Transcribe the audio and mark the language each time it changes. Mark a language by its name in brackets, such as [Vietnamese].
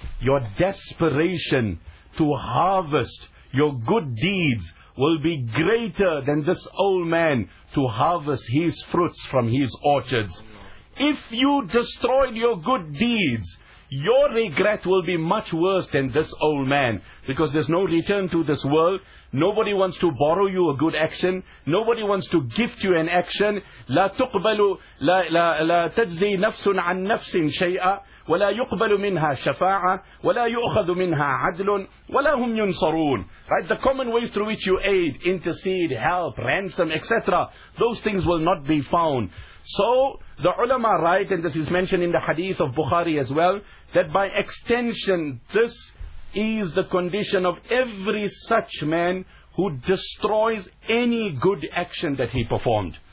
[English] Your desperation to harvest your good deeds will be greater than this old man to harvest his fruits from his orchards. If you destroyed your good deeds, your regret will be much worse than this old man, because there's no return to this world. Nobody wants to borrow you a good action. Nobody wants to gift you an action. [Arabic] لا تقبل لا تجزي نفس عن نفس شيئا ولا يقبل منها شفاعة ولا يؤخذ منها عدل ولا هم ينصرون. [English] Right, the common ways through which you aid, intercede, help, ransom, etc. Those things will not be found. So the ulama write, and this is mentioned in the hadith of Bukhari as well, that by extension, this is the condition of every such man who destroys any good action that he performed.